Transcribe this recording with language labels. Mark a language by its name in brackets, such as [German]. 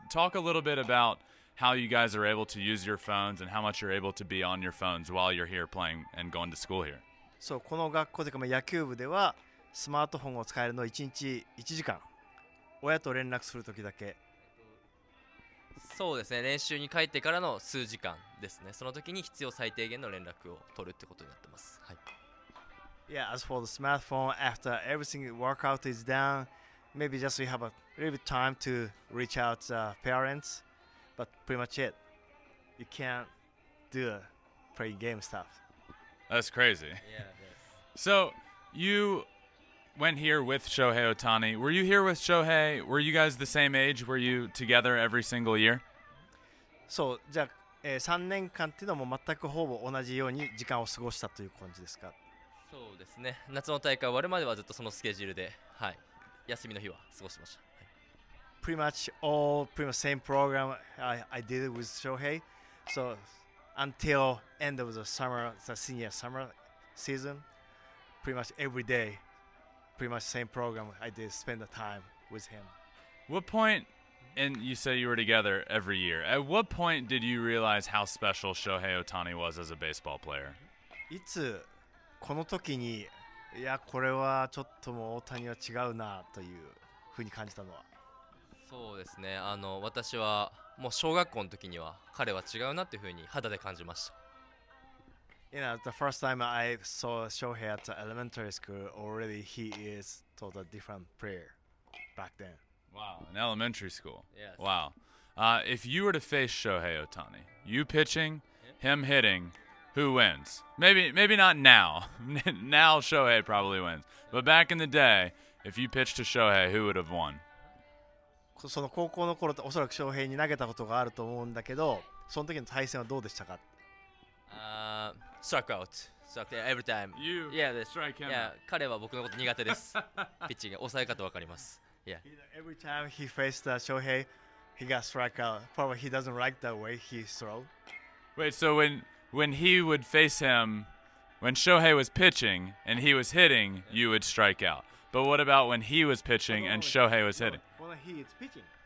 [English] Talk a little bit about how you guys are able to use your phones and how much you're able to be on your phones while you're here playing and going to school here. [Japanese] So, この学校でか、まあ、野球部ではスマートフォンを使えるのは1日1時間。親と連絡するときだけ。そうですね。練習に帰ってからの数時間ですね。そのときに必要最低限の連絡を取るってことになってます。はい。 [English] Yeah, as for the smartphone, after everything workout is done, maybe just we have a little bit time to reach out to parents. But pretty much it. You can't do a play game stuff. That's crazy. Yeah, it is. So you went here with Shohei Ohtani. Were you here with Shohei? Were you guys the same age? Were you together every single year? [Japanese] So, じゃあ、3年間っていうのも全くほぼ同じように時間を過ごしたという感じですか？そうですね。夏の大会終わるまではずっとそのスケジュールで、はい、休みの日は過ごしました。 [English] Pretty much all pretty much same program I did with Shohei. So until end of the summer, the senior summer season, pretty much every day, pretty much same program I did spend the time with him. What point, and you say you were together every year, at what point did you realize how special Shohei Ohtani was as a baseball player? [Japanese] いつこの時に、いやこれはちょっともう大谷は違うなというふうに感じたのは。そうですね。あの私はもう小学校の時には彼は違うなっていうふうに肌で感じました。 [English] You know, the first time I saw Shohei at the elementary school, already he is totally different player back then. Wow, in elementary school. Yes. Wow. If you were to face Shohei Ohtani, you pitching, him hitting, who wins? Maybe not now. Now Shohei probably wins. But back in the day, if you pitched to Shohei, who would have won? [Japanese] その高校の頃とおそらく翔平に投げたことがあると思うんだけど、その時の対戦はどうでしたか？ [English] strike out, strike every time. You, yeah, strike him. [Japanese] Yeah, 彼は僕のこと苦手です。ピッチング抑え方わかります。 [English] Yeah. Every time he faced Shohei, he got strike out. Probably he doesn't like the way he throw. Wait, so when he would face him, when Shohei was pitching and he was hitting, you would strike out. But what about when he was pitching and Shohei was hitting? He is pitching.